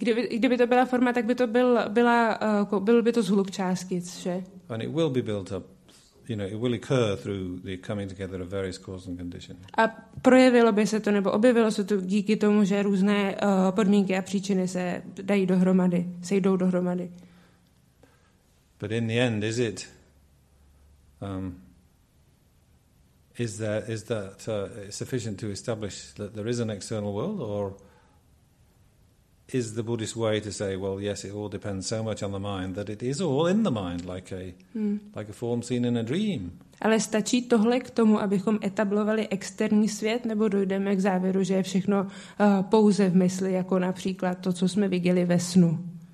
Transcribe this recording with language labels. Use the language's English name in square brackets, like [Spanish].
[Czech] Kdyby to byla forma, tak by to byl by to zhluk částic, že? [English] And it will be built up, you know, it will occur through the coming together of various causes and conditions. [Czech] A projevilo by se to, nebo objevilo se to díky tomu, že různé podmínky a příčiny se dají dohromady, sejdou dohromady. [English] But in the end, is it... Is that sufficient to establish that there is an external world, or is the Buddhist way to say, well, yes, it all depends so much on the mind that it is all in the mind, like a form seen in a dream? [Czech] Ale stačí tohle k tomu, abychom etablovali externí svět, nebo dojdeme k závěru, že je všechno pouze v mysli, jako například to, co jsme viděli ve snu?